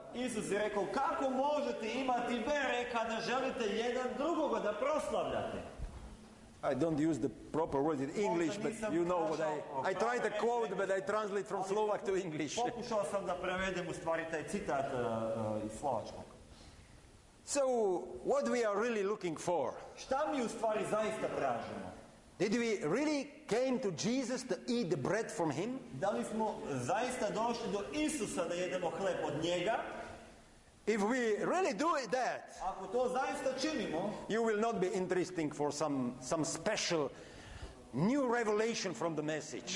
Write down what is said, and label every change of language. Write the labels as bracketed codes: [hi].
[sr] Isus je rekao, kako možete imati vere kada želite jedan drugoga da proslavljate? [en] I don't use the proper word in English, but you know what I try to quote, but I translate from Slovak to English. [sr] Pokušao sam da prevedem u stvari taj citat iz slovačkog. [en] So what we are really looking for? [sr] Šta mi u stvari zaista tražimo? [en] Did we really came to Jesus to eat the bread from him? [sr] Da li smo zaista došli do Isusa da jedemo hleb od njega? [en] If we really do it that, [sr] ako to zaista činimo, [en] you will not be interesting for some special new revelation from the message.